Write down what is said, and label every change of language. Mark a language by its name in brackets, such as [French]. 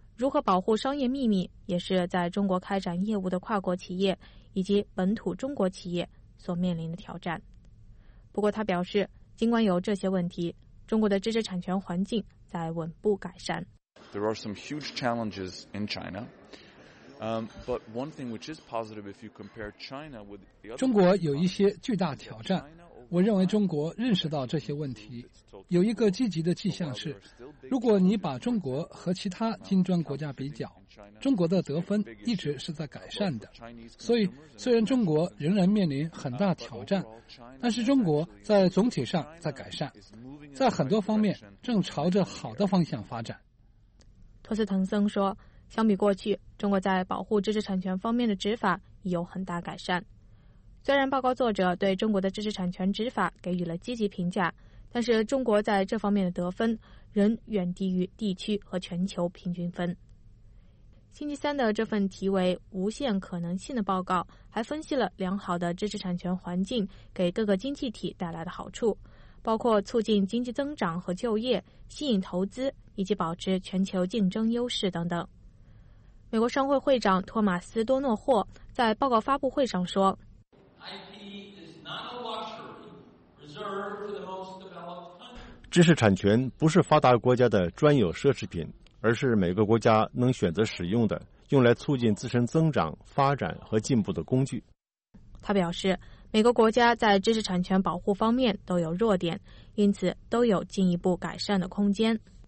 [Chinese] 如何保护商业秘密也是在中国开展业务的跨国企业以及本土中国企业所面临的挑战。不过他表示，尽管有这些问题，中国的知识产权环境在稳步改善。 [English] There are some huge challenges in China. But one thing which is positive, if you compare China with the other, [Chinese] 中国有一些巨大挑战。我认为中国认识到这些问题。有一个积极的迹象是，如果你把中国和其他金砖国家比较，中国的得分一直是在改善的。所以，虽然中国仍然面临很大挑战，但是中国在总体上在改善，在很多方面正朝着好的方向发展。托斯滕森说。相比过去，中国在保护知识产权方面的执法已有很大改善。虽然报告作者对中国的知识产权执法给予了积极评价，但是中国在这方面的得分仍远低于地区和全球平均分。星期三的这份题为《无限可能性》的报告还分析了良好的知识产权环境给各个经济体带来的好处，包括促进经济增长和就业、吸引投资以及保持全球竞争优势等等。美国商会会长托马斯·多诺霍在报告发布会上说， [English] IP is not a luxury reserved to the most developed countries. [Chinese] 知识产权不是发达国家的专有奢侈品，而是每个国家能选择使用的、用来促进自身增长、发展和进步的工具。他表示，每个国家在知识产权保护方面都有弱点，因此都有进一步改善的空间。